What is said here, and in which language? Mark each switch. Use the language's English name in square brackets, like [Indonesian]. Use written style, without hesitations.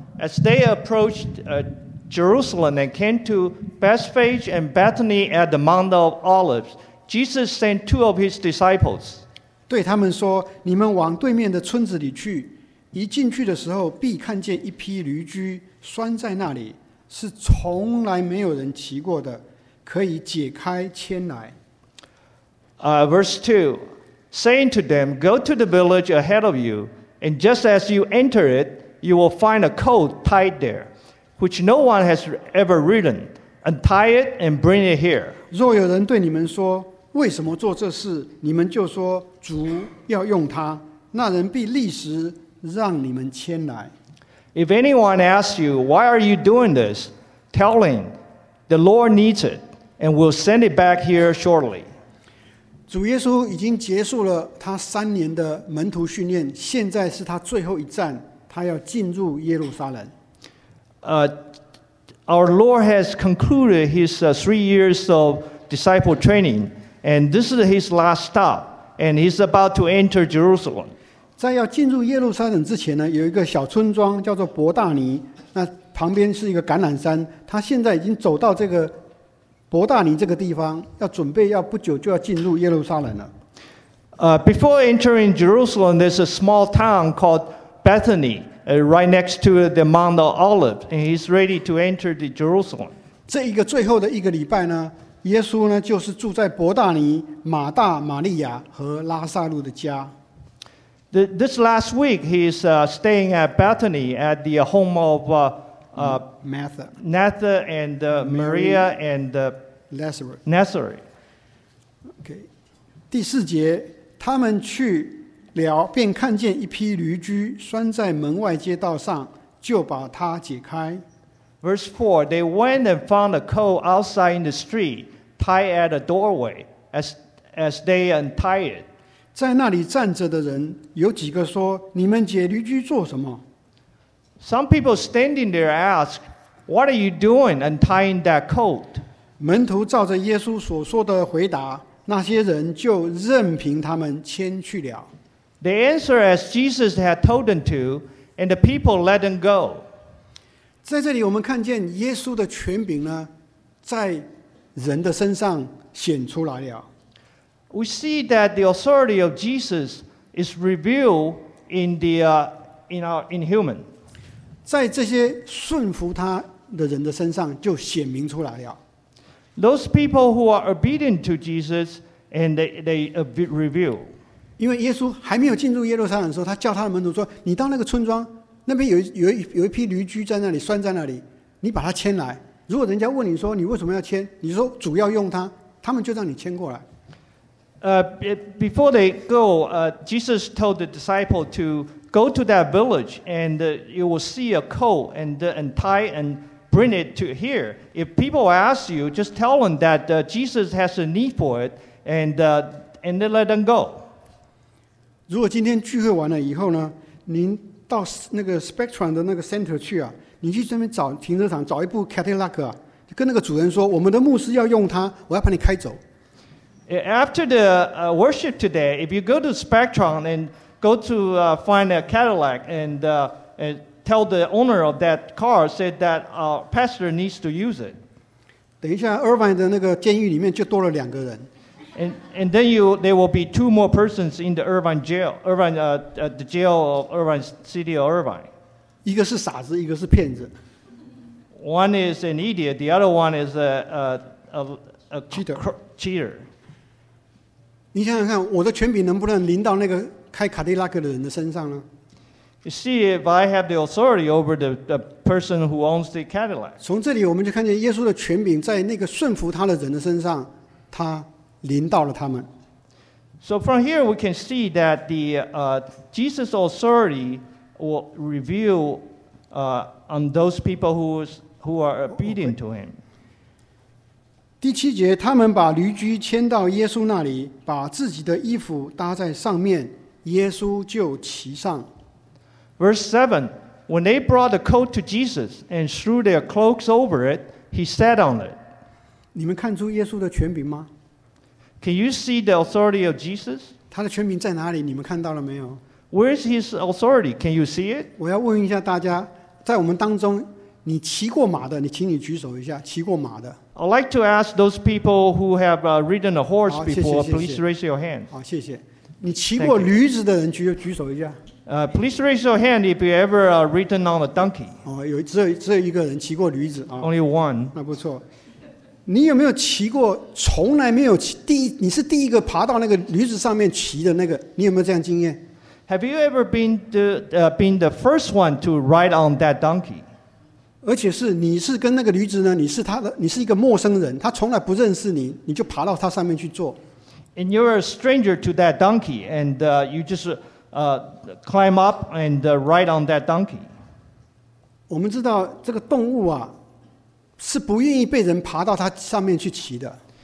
[English] As they approached Jerusalem and came to Bethphage and Bethany at the Mount of Olives, Jesus sent two of his disciples. [Chinese] 对他们说，你们往对面的村子里去，一进去的时候必看见一批驴驹拴在那里，是从来没有人骑过的，可以解开牵来。 [English] Verse 2, saying to them, go to the village ahead of you, and just as you enter it, you will find a colt tied there, which no one has ever ridden. Untie it and bring it here. [Chinese] 若有人对你们说，为什么做这事，你们就说，主要用它，那人必立时让你们牵来。 [English] If anyone asks you, why are you doing this? Tell him, the Lord needs it, and we'll send it back here shortly. [Chinese] 主耶稣已经结束了他三年的门徒训练，现在是他最后一站，他要进入耶路撒冷。 [English] Our Lord has concluded his 3 years of disciple training, and this is his last stop, and he's about to enter Jerusalem. [Chinese] 在要进入耶路撒冷之前呢，有一个小村庄叫做伯大尼，那旁边是一个橄榄山。他现在已经走到这个伯大尼这个地方，要准备要不久就要进入耶路撒冷了。 [English] Before entering Jerusalem, there's a small town called Bethany, right next to the Mount of Olives, and he's ready to enter the Jerusalem. [Chinese] 这一个最后的一个礼拜呢，耶稣呢就是住在伯大尼、马大、玛利亚和拉撒路的家。 [English] This last week, he's staying at Bethany at the home of Martha. Martha and Maria and Lazarus. Lazarus. [Chinese] Okay. 第四节，他们去聊便看见一批驴驹拴在门外街道上，就把它解开。 [English] Verse 4, they went and found a colt outside in the street, tied at a doorway, as they untied it. [Chinese] 在那里站着的人有几个说，你们解驴驹做什么？ [English] Some people standing there asked, what are you doing untying that colt? [Chinese] 门徒照着耶稣所说的回答，那些人就任凭他们牵去了。 [English] They answered as Jesus had told them to, and the people let them go. [Chinese] 在这里我们看见耶稣的权柄呢，在人的身上显出来了。 [English] We see that the authority of Jesus is revealed in human. [Chinese] 在这些顺服他的人的身上就显明出来了。 [English] Those people who are obedient to Jesus and they reveal. [Chinese] 因为耶稣还没有进入耶路撒冷的时候，他叫他的门徒说：“你到那个村庄，那边有一批驴驹在那里拴在那里，你把它牵来。如果人家问你说你为什么要牵，你说主要用它，他们就让你牵过来。” [English] Before they go, Jesus told the disciple to go to that village and you will see a colt and tie and bring it to here. If people ask you, just tell them that Jesus has a need for it and then let them go. [Chinese] 如果今天聚会完了以后呢，您到那个 Spectrum 的那个 center 去啊，你去这边找停车场找一部 Cadillac 啊，跟那个主人说我们的牧师要用它，我要把你开走。 [English] After the worship today, if you go to Spectrum and go to find a Cadillac and tell the owner of that car, said that our pastor needs to use it. [Chinese] 等一下 Irvine 的那个监狱里面就多了两个人。 [English] And then there will be two more persons in the Irvine jail, the jail of Irvine City of Irvine. [Chinese] 一个是傻子，一个是骗子。 [English] One is an idiot, the other one is a cheater. [Chinese] 你想想看，我的权柄能不能临到那个开卡迪拉克的人的身上呢？ [English] You see, if I have the authority over the person who owns the Cadillac. [Chinese] 从这里我们就看见耶稣的权柄在那个顺服他的人的身上，他临到了他们。 [English] So from here we can see that the Jesus' authority will reveal on those people who are obedient to him. [Chinese] 第七节，他们把驴驹牵到耶稣那里，把自己的衣服搭在上面，耶稣就骑上。 [English] Verse 7, when they brought the coat to Jesus and threw their cloaks over it, he sat on it. [Chinese] 你们看出耶稣的权柄吗？ [English] Can you see the authority of Jesus? [Chinese] 他的权柄在哪里？你们看到了没有？ [English] Where is his authority? Can you see it? [Chinese] 我要问一下大家，在我们当中，你骑过马的，你请你举手一下，骑过马的。 [English] I'd like to ask those people who have ridden a horse before, please raise your hand. [Chinese] 好，谢谢。你骑过驴子的人举手一下。 [English] Please raise your hand if you ever ridden on a donkey. [Chinese] 哦，有只有一个人骑过驴子啊。 [English] Only one. [Chinese] 那不错。你有没有骑过从来没有骑第一？你是第一个爬到那个驴子上面骑的那个？你有没有这样经验 [English] ？Have you ever been the first one to ride on that donkey? [Chinese] 而且是你是跟那个驴子呢？你是他的，你是一个陌生人，他从来不认识你，你就爬到他上面去坐。 [English] And you're a stranger to that donkey, and you just climb up and ride on that donkey. [Chinese] 我们知道这个动物啊，是不愿意被人爬到它上面去骑的。